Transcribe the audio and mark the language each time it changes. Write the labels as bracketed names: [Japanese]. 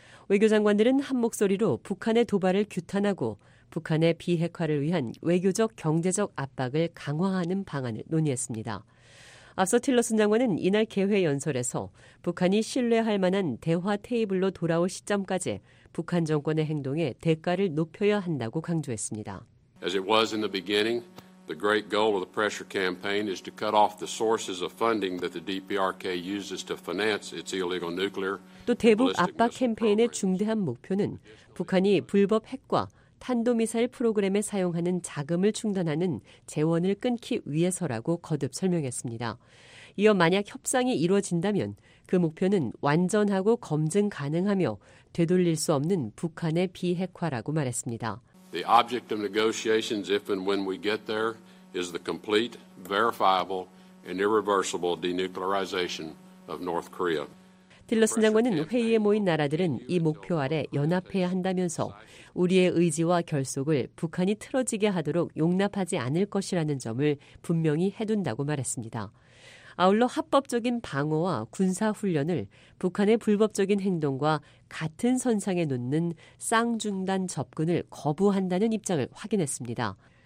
[Korean] 외교장관들은 한 목소리로 북한의 도발을 규탄하고 북한의 비핵화를 위한 외교적, 경제적 압박을 강화하는 방안을 논의했습니다. 앞서 틸러슨 장관은 이날 개회 연설에서 북한이 신뢰할 만한 대화 테이블로 돌아올 시점까지 북한 정권의 행동에 대가를 높여야 한다고 강조했습니다. [English] As it was in the beginning, the great goal of the pressure campaign is to cut off the sources of funding that the DPRK uses to finance its illegal nuclear. [Korean] 또 대북 압박 캠페인의 중대한 목표는 북한이 불법 핵과 탄도미사일 프로그램에 사용하는 자금을 충당하는 재원을 끊기 위해서라고 거듭 설명했습니다. 이어 만약 협상이 이루어진다면 그 목표는 완전하고 검증 가능하며 되돌릴 수 없는 북한의 비핵화라고 말했습니다. [English] The object of negotiations, if and when we get there, is the complete, verifiable, and irreversible denuclearization of North Korea. [Korean] 틸러슨 장관은 회의에 모인 나라들은 이 목표 아래 연합해야 한다면서 우리의 의지와 결속을 북한이 틀어지게 하도록 용납하지 않을 것이라는 점을 분명히 해둔다고 말했습니다. 아울러 합법적인 방어와 군사훈련을 북한의 불법적인 행동과 같은 선상에 놓는 쌍중단 접근을 거부한다는 입장을 확인했습니다.